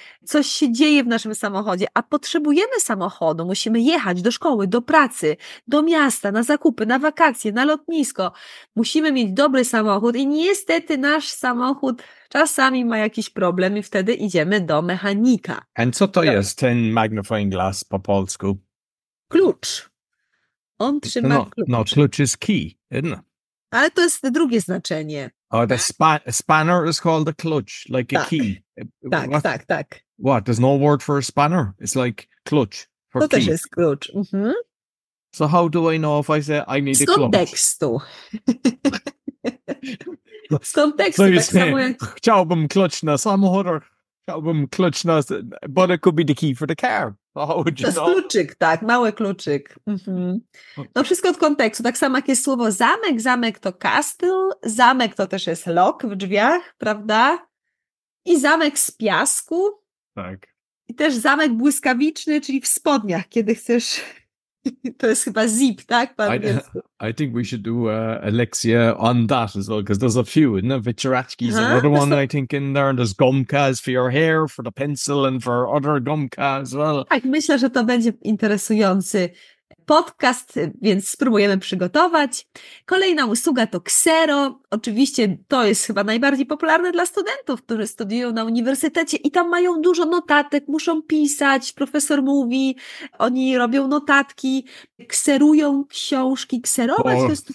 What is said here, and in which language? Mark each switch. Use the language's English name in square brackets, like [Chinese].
[Polish] Coś się dzieje w naszym samochodzie, a potrzebujemy samochodu, musimy jechać do szkoły, do pracy, do miasta, na zakupy, na wakacje, na lotnisko. Musimy mieć dobry samochód i niestety nasz samochód czasami ma jakiś problem i wtedy idziemy do mechanika. And co to jest ten [English] magnifying glass [Polish] po polsku? Klucz. On trzyma klucz. [English] No, klucz is key, isn't it? [Polish] Ale to jest drugie znaczenie. [English] Oh, the spanner is called a clutch, like a key. [Polish] Tak. [English] What? There's no word for a spanner. It's like clutch. For to key. [Polish] Też jest klucz. Mm-hmm. [English] So how do I know if I say I need a clutch? [Polish] Z kontekstu. Z kontekstu, tak samo jak... Chciałbym klucz na samochodach. Chciałbym klucz na... [English] But it could be the key for the car. [Polish] To jest kluczyk, tak, mały kluczyk. Mm-hmm. No wszystko od kontekstu. Tak samo jak jest słowo zamek. Zamek to castle. Zamek to też jest lock w drzwiach, prawda? I zamek z piasku. Tak. I też zamek błyskawiczny, czyli w spodniach, kiedy chcesz... To jest chyba zip, tak? [English] I think we should do a lekcję on that as well, because there's a few, isn't there? Wycieraczki is another one, I think, in there. And there's gumkas for your hair, for the pencil, and for other gumka as well. [Polish] Tak, myślę, że to będzie interesujący podcast, więc spróbujemy przygotować. Kolejna usługa to ksero. Oczywiście to jest chyba najbardziej popularne dla studentów, którzy studiują na uniwersytecie i tam mają dużo notatek, muszą pisać, profesor mówi, oni robią notatki, kserują książki, kserować to jest